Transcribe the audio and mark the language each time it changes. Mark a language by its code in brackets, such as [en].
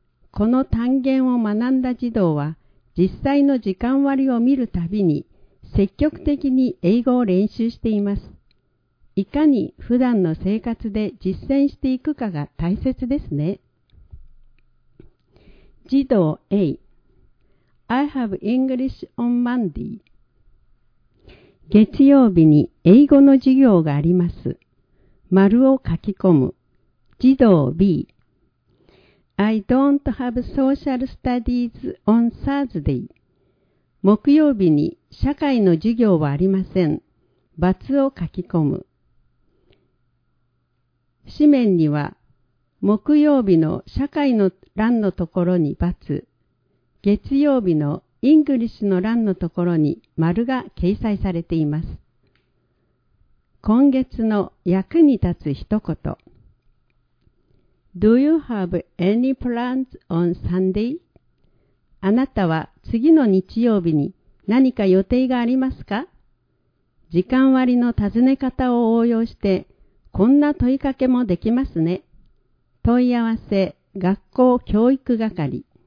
[ja] この単元を学んだ児童は、実際の時間割を見るたびに積極的に英語を練習しています。いかに普段の生活で実践していくかが大切ですね。児童 A. [en] I have English on Monday. [ja] 月曜日に英語の授業があります。丸を書き込む。児童 B. [en] I don't have social studies on Thursday. [ja] 木曜日に社会の授業はありません。罰を書き込む。紙面には木曜日の社会の欄のところに×、月曜日のイングリッシュの欄のところに丸が掲載されています。今月の役に立つ一言。 [en] Do you have any plans on Sunday? [ja] あなたは次の日曜日に何か予定がありますか？時間割の尋ね方を応用して、こんな問いかけもできますね。問い合わせ、学校教育係。